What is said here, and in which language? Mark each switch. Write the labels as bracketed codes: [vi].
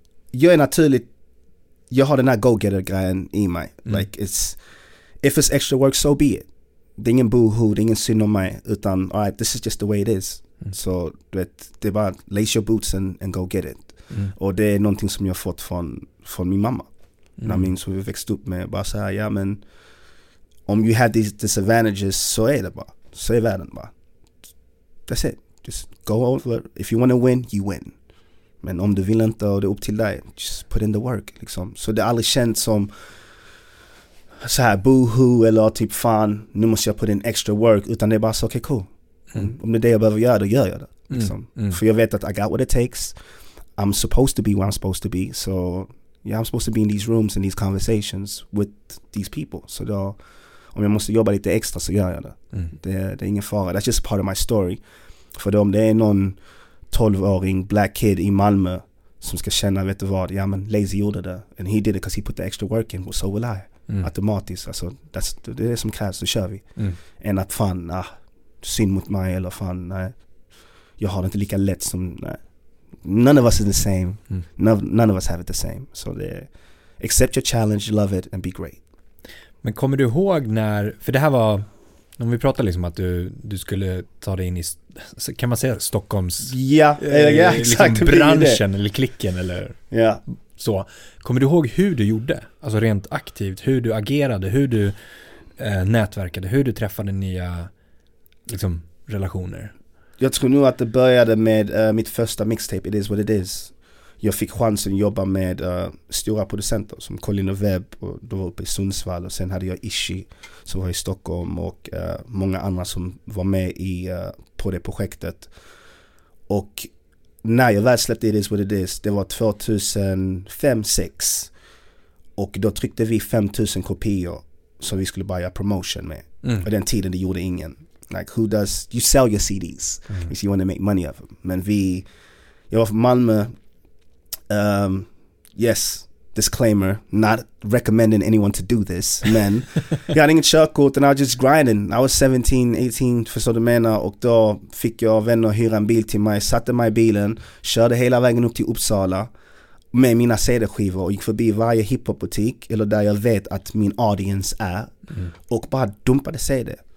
[sv] Jag är naturligt, jag har den här go-getter-grejen i mig. [en] Like it's, if it's extra work, so be it. [sv] Det är ingen boohoo, det är ingen synd om mig, utan [en] all right, this is just the way it is. [sv] Så du vet, det är bara [en] lace your boots and go get it. [sv] Och det är någonting som jag har fått från min mamma. Jag minns hur vi växte upp med bara så här, ja men om [en] you had these disadvantages [sv] så är det bara, så är världen bara. [en] That's it, just go over. If you want to win, you win. [sv] Men om du vill inte och det är upp till dig, [en] just put in the work liksom. [sv] Så det är aldrig känt som så här boohoo eller typ fan, nu måste jag [en] put in extra work, [sv] utan det är bara så okej, cool. Om det är det jag behöver göra, då gör jag det. Liksom. För jag vet att [en] I got what it takes. I'm supposed to be where I'm supposed to be. So yeah, I'm supposed to be in these rooms and these conversations with these people. [sv] Så då, om jag måste jobba lite extra, så gör jag det. Det är ingen fara. [en] That's just part of my story. [sv] För då, om det är någon 12-åring [en] black kid [sv] i Malmö som ska känna, vet du vad, ja men Lazy gjorde det. [en] And he did it because he put the extra work in. So will I. Automatiskt. [sv] Alltså, det är det som krävs. Då kör vi. And att fan, synd mot mig eller fan, nej. Jag har det inte lika lätt som, nej. [en] None of us is the same. None of us have it the same. So they, accept your challenge, love it and be great. [sv] Men kommer du ihåg när, för det här var Om vi pratar liksom att du skulle ta dig in i, kan man säga Stockholms, ja, ja, exakt, liksom branschen eller klicken eller, ja, så. Kommer du ihåg hur du gjorde? Alltså rent aktivt, hur du agerade, hur du nätverkade, hur du träffade nya liksom relationer? Jag tror nog att det började med mitt första mixtape, It Is What It Is. Jag fick chansen att jobba med stora producenter som Colin och Webb, och då var uppe i Sundsvall, och sen hade jag Ishi som var i Stockholm, och många andra som var med i på det projektet. Och när jag väl släppte It Is What It Is, det var 2005-06, och då tryckte vi 5000 kopior som vi skulle börja promotion med. Mm. Och den tiden det gjorde ingen. [en] Like, who does, you sell your CDs if you want to make money of them. [sv] Men vi, jag var från Malmö. [en] Yes, disclaimer, not recommending anyone to do this, [sv] men jag hade inget körkort, [en] and I was just grinding. I was 17, 18, [sv] förstår du menar, och då fick jag vänner hyra en bil till mig, satte mig i bilen, körde hela vägen upp till Uppsala med mina CD-skivor och gick förbi varje hiphopbutik eller där jag vet att min audience är, och bara dumpade CD.